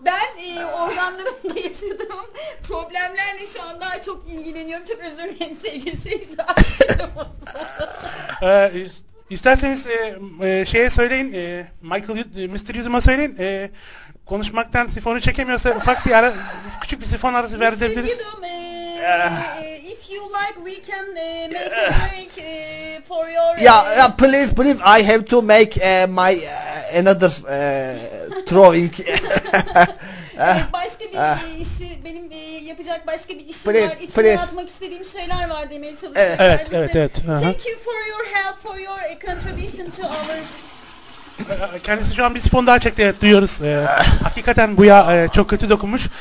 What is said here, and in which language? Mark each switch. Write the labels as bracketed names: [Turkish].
[Turkish] Ben organlarımda yaşadığım problemlerle şu an daha çok ilgileniyorum. Çok özür dilerim sevgili seyirciler. İsterseniz şeye söyleyin, Michael, Mr. Yudum'a söyleyin. Konuşmaktan sifonu çekemiyorsa ufak bir ara, küçük bir sifon arası verebiliriz. [English] Mr. Yudum, if you like we can make a break for your... Yeah, please, I have to make my another throwing. [Turkish] Başka bir işi, benim yapacak başka bir işim please, var. İçine atmak istediğim şeyler var demeye çalışıyorum. Evet. [English] Thank you for your help, for your contribution to our... [Turkish] Kendisi şu an bir sifon daha çekti, evet, duyuyoruz. Hakikaten bu ya çok kötü dokunmuş.